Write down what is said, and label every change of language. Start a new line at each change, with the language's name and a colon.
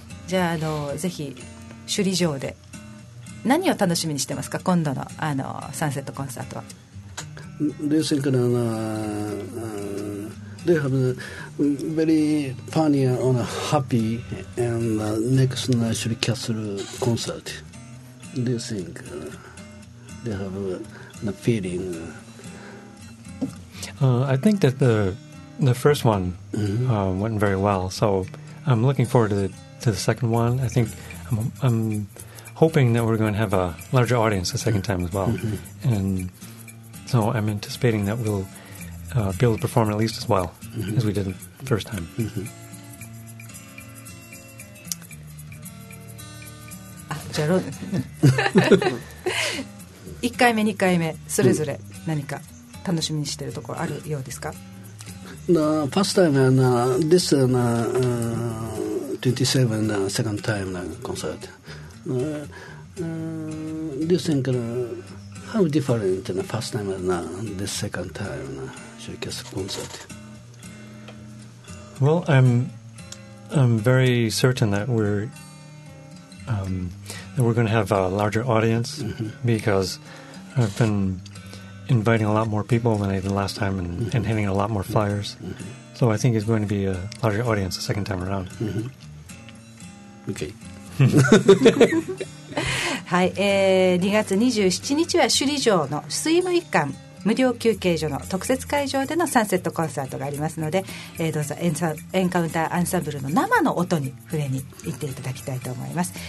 Japanese: じゃあぜひ首里城で何を楽しみにしてますか、今度 の、 サンセットコンサートは。
English: They think that they have a very funny and happy and next National Castle concert. They think they have a feeling. I think that the first one、mm-hmm. Went very well, so I'm looking forward to the second one. I think I'm hoping that we're going to have a larger audience the second time as well.、Mm-hmm. AndSo I'm anticipating that we'll be able to perform at least as well、mm-hmm. as we did the first time.、 Mm-hmm.
Japanese: あ、じゃあロン。一回目二回目それぞれ何か楽しみにしているところあるようですか？
English: The first time and this 27 second time concert. Do you think? How different the first time and the second time should get a concert? Well, I'm very certain that we're going to have a larger audience、mm-hmm. because I've been inviting a lot more people than I did last time and,、mm-hmm. and handing out a lot more flyers.、Mm-hmm. So I think it's going to be a larger audience the second time around.、 Mm-hmm. Okay.
Japanese: はい、2月27日は首里城の水務館無料休憩所の特設会場でのサンセットコンサートがありますので、どうぞエンカウンターアンサンブルの生の音に触れに行っていただきたいと思います。